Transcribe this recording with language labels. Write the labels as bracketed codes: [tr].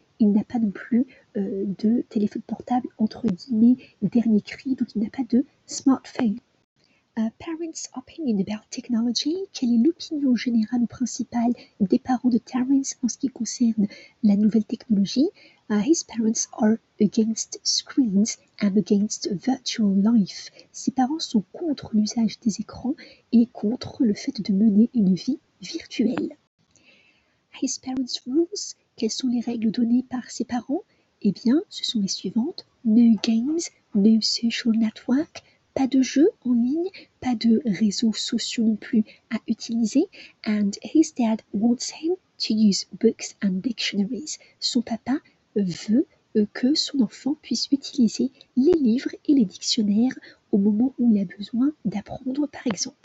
[fr] Il n'a pas non plus de téléphone portable, entre guillemets, dernier cri, donc il n'a pas de smartphone. [en] Parents' opinion about technology. [fr] Quelle est l'opinion générale ou principale des parents de Terence en ce qui concerne la nouvelle technologie? [en] His parents are against screens and against virtual life. [fr] Ses parents sont contre l'usage des écrans et contre le fait de mener une vie virtuelle. [en] His parents' rules. [fr] Quelles sont les règles données par ses parents? Eh bien, ce sont les suivantes. [en] No games, no social network, [fr] pas de jeux en ligne, pas de réseaux sociaux non plus à utiliser. [en] And his dad wants him to use books and dictionaries. [fr] Son papa veut que son enfant puisse utiliser les livres et les dictionnaires au moment où il a besoin d'apprendre, par exemple.